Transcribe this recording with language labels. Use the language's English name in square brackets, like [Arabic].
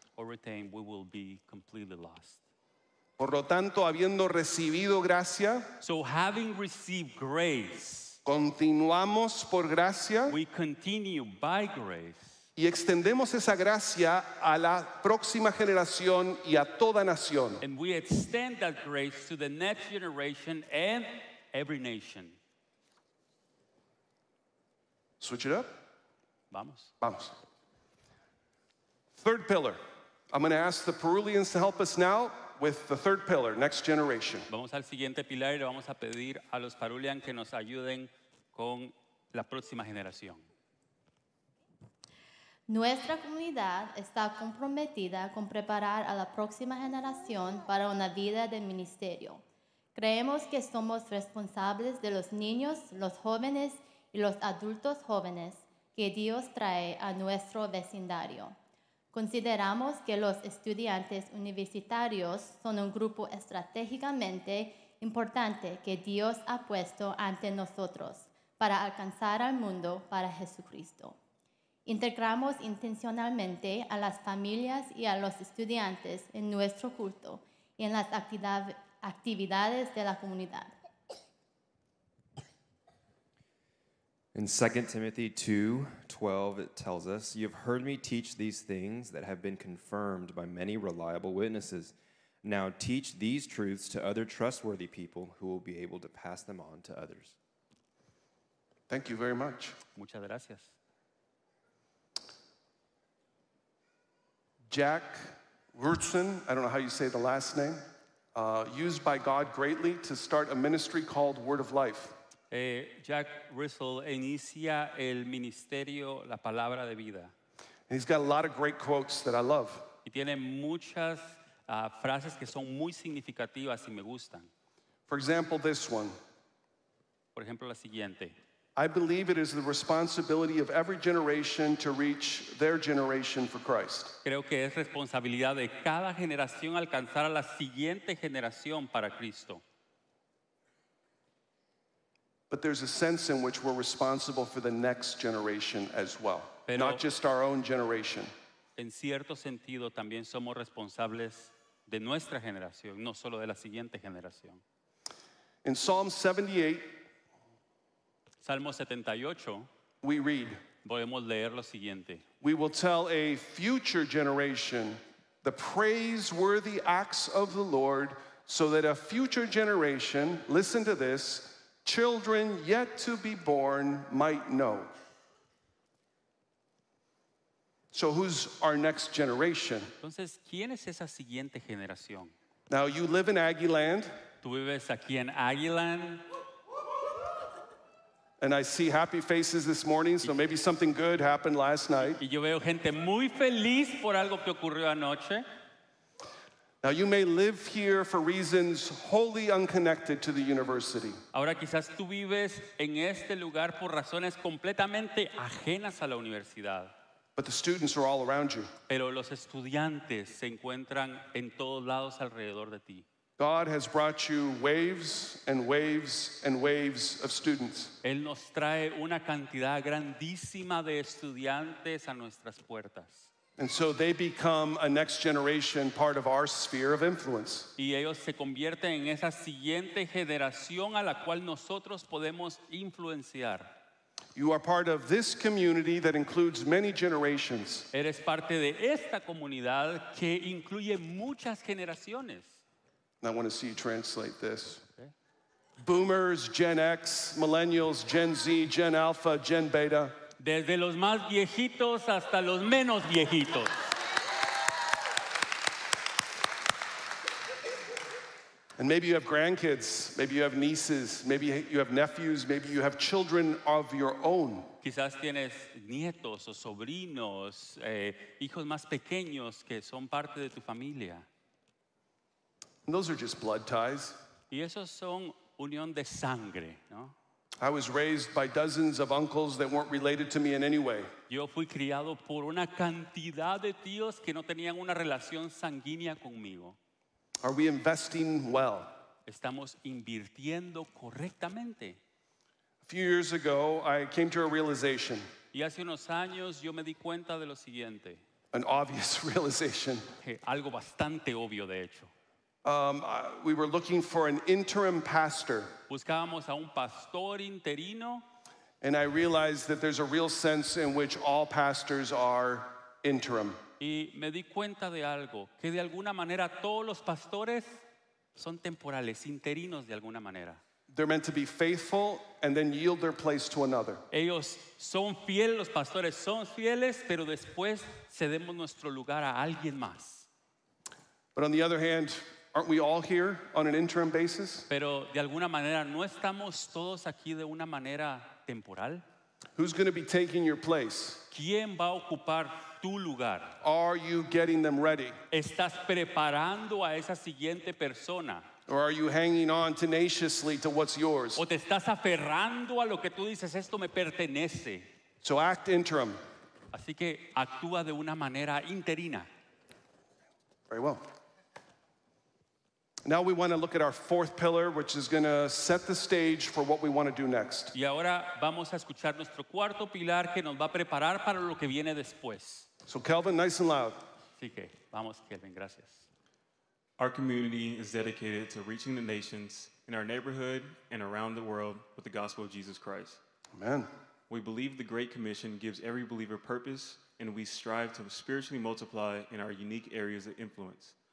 [English] Or retain, we will be completely lost. [Spanish] Por lo tanto, habiendo recibido gracia, [English] so having received grace, [Spanish] continuamos por gracia, [English] we continue by grace, [Spanish] y extendemos esa gracia a la próxima generación y a toda nación. [English] And we extend that grace to the next generation and every nation. Switch it up. [Spanish] Vamos. Vamos. [English] Third pillar. I'm going to ask the Peruvians to help us now with the third pillar, next generation. [Spanish] Vamos al siguiente pilar y le vamos a pedir a los Peruvian que nos ayuden con la próxima generación. Nuestra comunidad está comprometida con preparar a la próxima generación para una vida de ministerio. Creemos que somos responsables de los niños, los jóvenes y los adultos jóvenes que Dios trae a nuestro vecindario. Consideramos que los estudiantes universitarios son un grupo estratégicamente importante que Dios ha puesto ante nosotros para alcanzar al mundo para Jesucristo. Integramos intencionalmente a las familias y a los estudiantes en nuestro culto y en las actividades de la comunidad. [English] In 2 Timothy 2:12, it tells us, "You have heard me teach these things that have been confirmed by many reliable witnesses. Now teach these truths to other trustworthy people who will be able to pass them on to others." Thank you very much. [Spanish] Muchas gracias. [English] Jack Wurtzen, I don't know how you say the last name, used by God greatly to start a ministry called Word of Life. [Spanish] Jack Russell inicia el ministerio La Palabra de Vida. [English] And he's got a lot of great quotes that I love. [Spanish] Y tiene muchas frases que son muy significativas y me gustan. [English] For example, this one. [Spanish] Por ejemplo, la siguiente. [English] "I believe it is the responsibility of every generation to reach their generation for Christ." [Spanish] Creo que es responsabilidad de cada generación alcanzar a la siguiente generación para Cristo. [English] But there's a sense in which we're responsible for the next generation as well, [Spanish] pero [English] not just our own generation. [Spanish] En cierto sentido, también somos responsables de nuestra generación, no solo de la siguiente generación. [English] In Psalm 78, [Spanish] Salmo 78, [English] we read, [Spanish] podemos leer lo siguiente. [English] "We will tell a future generation the praiseworthy acts of the Lord, so that a future generation," listen to this, "children yet to be born might know." So who's our next generation? [Spanish] Entonces, ¿quién es esa siguiente generación? [English] Now you live in Aggieland. [Spanish] Tú vives aquí en Aggieland. [English] And I see happy faces this morning, so maybe something good happened last night. [Spanish] Y yo veo gente muy feliz por algo que ocurrió anoche. [English] Now you may live here for reasons wholly unconnected to the university. [Spanish] Ahora quizás tú vives en este lugar por razones completamente ajenas a la universidad. [English] But the students are all around you. [Spanish] Pero los estudiantes se encuentran en todos lados alrededor de ti. [English] God has brought you waves and waves and waves of students. [Spanish] Él nos trae una cantidad grandísima de estudiantes a nuestras puertas. [English] And so they become a next generation part of our sphere of influence. [Spanish] Y ellos se convierten en esa siguiente generación a la cual nosotros podemos influenciar. [English] You are part of this community that includes many generations. [Spanish] Eres parte de esta comunidad que incluye muchas generaciones. [English] And I want to see you translate this. Boomers, Gen X, Millennials, Gen Z, Gen Alpha, Gen Beta. [Spanish] Desde los más viejitos hasta los menos viejitos. [English] And maybe you have grandkids, maybe you have nieces, maybe you have nephews, maybe you have children of your own. [Spanish] Quizás tienes nietos o sobrinos, hijos más pequeños que son parte de tu familia. [English] And those are just blood ties. [Spanish] Y esos son unión de sangre, ¿no? [English] I was raised by dozens of uncles that weren't related to me in any way. [Spanish] Yo fui criado por una cantidad de tíos que no tenían una relación sanguínea conmigo. [English] Are we investing well? [Spanish] Estamos invirtiendo correctamente. [English] A few years ago, I came to a realization. [Spanish] Y hace unos años yo me di cuenta de lo siguiente. [English] An obvious realization. [Spanish] Algo bastante obvio, de hecho. [English] We were looking for an interim pastor. [Spanish] Buscábamos a un pastor interino. [English] And I realized that there's a real sense in which all pastors are interim. [Spanish] Y me di cuenta de algo, que de alguna manera todos los pastores son temporales, interinos de alguna manera. [English] They're meant to be faithful and then yield their place to another. [Spanish] Ellos son fieles, los pastores son fieles, pero después cedemos nuestro lugar a alguien más. [English] But on the other hand, aren't we all here on an interim basis? [Spanish] Pero de alguna manera no estamos todos aquí de una manera temporal. [English] Who's going to be taking your place? [Spanish] ¿Quién va a ocupar tu lugar? [English] Are you getting them ready? [Spanish] ¿Estás preparando a esa siguiente persona? [English] Or are you hanging on tenaciously to what's yours? [Spanish] ¿O te estás aferrando a lo que tú dices, esto me pertenece? [English] So act interim. [Spanish] Así que actúa de una manera interina. [English] Very well. Now we want to look at our fourth pillar, which is going to set the stage for what we want to do next. [Spanish] Y ahora vamos a escuchar nuestro cuarto pilar que nos va a preparar para lo que viene después. [English] So Kelvin, nice and loud. [Spanish] Así que vamos, Kelvin, gracias. [English] Our community is dedicated to reaching the nations in our neighborhood and around the world with the gospel of Jesus Christ. Amen. We believe the Great Commission gives every believer purpose, and we strive to spiritually multiply in our unique areas of influence.